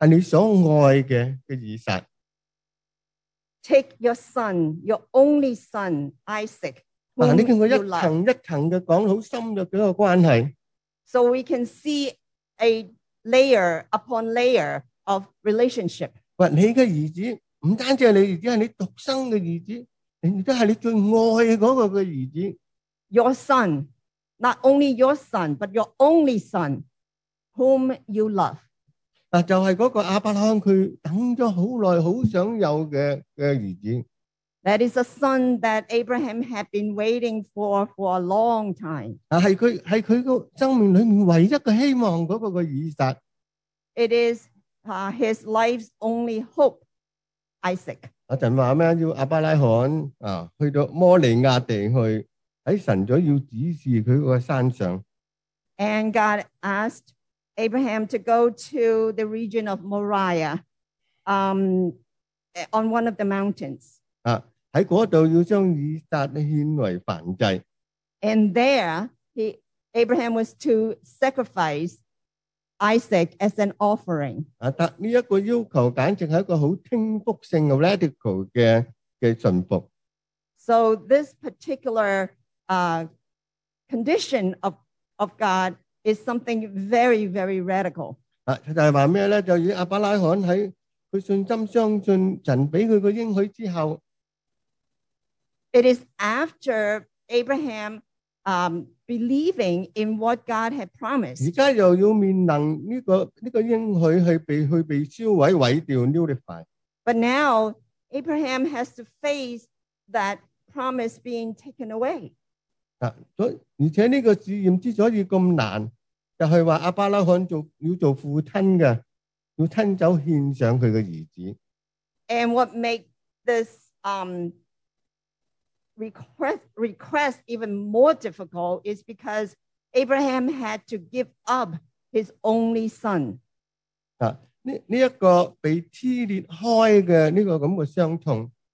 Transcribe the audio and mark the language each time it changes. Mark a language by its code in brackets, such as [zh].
[zh] 他说要他做什么？要他你的儿子，然后你独生的儿子，是你所爱的以撒。 [en] Take your son, your only son, Isaac, whom you love. [zh] 你看他一层一层的讲，很深的几个关系。 [en] So we can see a layer upon layer of relationship. [zh] 你的儿子，不单止是你的儿子，是你独生的儿子，你都是你最爱的那个儿子。 [en] Your son, not only your son, but your only son, whom you love. [zh] 就是那个亚伯拉罕他等了很久很想有的儿子。 [en] That is a son that Abraham had been waiting for a long time. [zh] 是他生命里唯一的希望那个以撒。 [en] It is his life's only hope, Isaac. [zh] 一会儿说要亚伯拉罕去到摩利亚地去。在神所要指示他的山上。 [en] And God asked Abraham to go to the region of Moriah, on one of the mountains. [zh] 在那里要将以撒献为燔祭。 [en] And there, Abraham was to sacrifice Isaac as an offering. [zh] 但这个要求简直是一个很听福性的 radical 的顺服。 [en] So this particular condition of God is something very, very radical. [zh] 就是说什么呢？就以亚伯拉罕在他信心相信神给他的应许之后， [en] It is after Abraham believing in what God had promised. [zh] 现在又要面临这个应许是被烧毁毁掉 nullified。 [en] But now Abraham has to face that promise being taken away. [zh] 而且这个试验之所以这么难，就是说亚伯拉罕要做父亲的，要亲手献上他的儿子。 [en] And what make this request even more difficult is because Abraham had to give up his only son. [zh] 这个被撕裂开的这个伤痛。